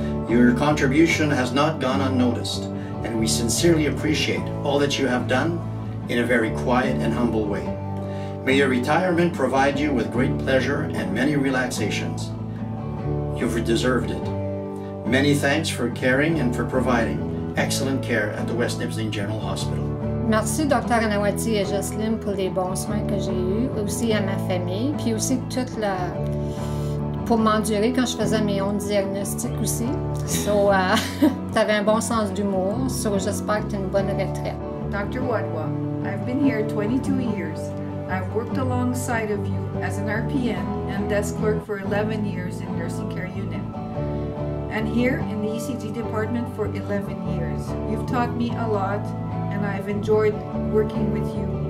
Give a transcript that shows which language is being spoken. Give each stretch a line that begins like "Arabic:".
English: Your contribution has not gone unnoticed, and we sincerely appreciate all that you have done in a very quiet and humble way. May your retirement provide you with great pleasure and many relaxations. You've deserved it. Many thanks for caring and for providing excellent care at the West Nipissing General Hospital.
French: Merci Dr. Anawati et Jocelyne pour les bons soins que j'ai eus, aussi à ma famille, puis aussi toute la... pour m'endurer quand je faisais mes ondes diagnostiques aussi. Tu avais un bon sens d'humour, so j'espère que tu as une bonne retraite.
English: Dr. Wadhwa, I've been here 22 years. I've worked alongside of you as an RPN and desk clerk for 11 years in nursing care unit. And here in the ECG department for 11 years. You've taught me a lot and I've enjoyed working with you.